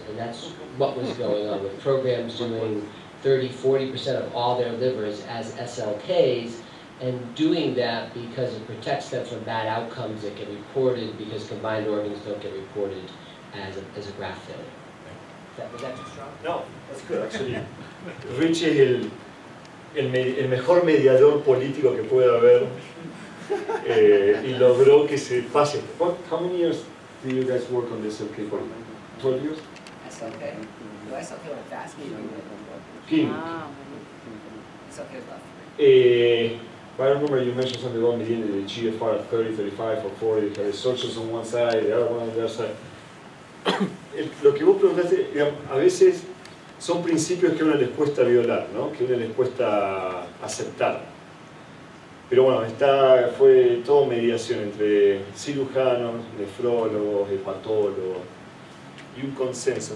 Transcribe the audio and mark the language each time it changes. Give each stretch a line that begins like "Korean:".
English: And that's what was going on with programs doing 30-40% of all their livers as SLKs, and doing that because it protects them from bad outcomes that get reported because combined organs don't get reported as a graft failure. Is that too strong? No, that's good actually.
Spanish: Richie Hill, el mejor mediador político que puede haber, y logró que se pase.
English: How many years do you guys work on this SLK for? 12 years? SLK. Well, SLK went fast. SLK was about 3. I remember you mentioned something about the GFR at 30, 35, or 40. You had the searches on one side, the other one on the other side.
Spanish: Lo que vos preguntaste, a veces son principios que a uno les cuesta violar, ¿no? Que a uno les cuesta aceptar. Pero bueno, fue todo mediación entre cirujanos, nefrólogos, hepatólogos y un consenso.